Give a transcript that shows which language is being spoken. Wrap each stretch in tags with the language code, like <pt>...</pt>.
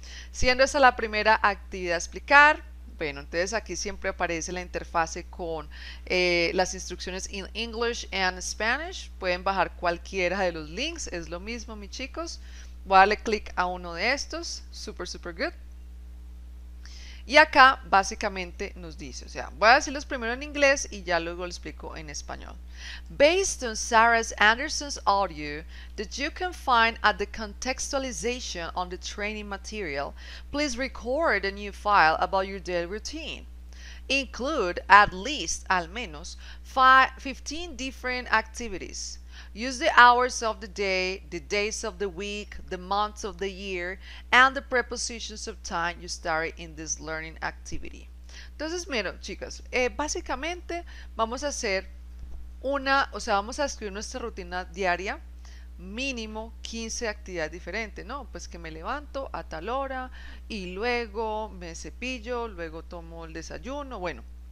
<es>Siendo esta la primera actividad a explicar, bueno, entonces aquí siempre aparece la interfase con las instrucciones</es> <en>in English and Spanish.</en> <es>Pueden bajar cualquiera de los links, es lo mismo, mis chicos. Voy a darle clic a uno de estos,</es> <en>super, super good.</en> <es>Y acá básicamente nos dice, o sea, voy a decirlos primero en inglés y ya luego lo explico en español.</es> <en>Based on Sarah Anderson's audio that you can find at the contextualization on the training material, please record a new file about your daily routine. Include at least,</en> <es>al menos,</es> <en>15 different activities. Use the hours of the day, the days of the week, the months of the year, and the prepositions of time you started in this learning activity.</en> <es>Entonces, miren, chicas, básicamente vamos a hacer una, o sea, vamos a escribir nuestra rutina diaria, mínimo 15 actividades diferentes, ¿no? Pues que me levanto a tal hora y luego me cepillo, luego tomo el desayuno, bueno.</es>